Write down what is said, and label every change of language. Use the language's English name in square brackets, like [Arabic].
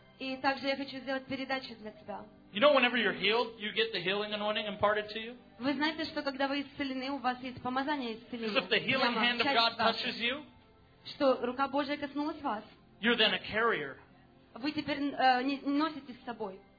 [Russian] И также я хочу сделать передачу для тебя. [English] You know, whenever you're healed, you get the healing anointing imparted to you. [Russian] Вы знаете, что когда вы исцелены, у вас есть помазание исцеления. [English] Because if the healing hand of God touches you, [Russian] что рука Божья коснулась вас, [English] you're then a carrier. [Russian] Вы теперь носите с собой.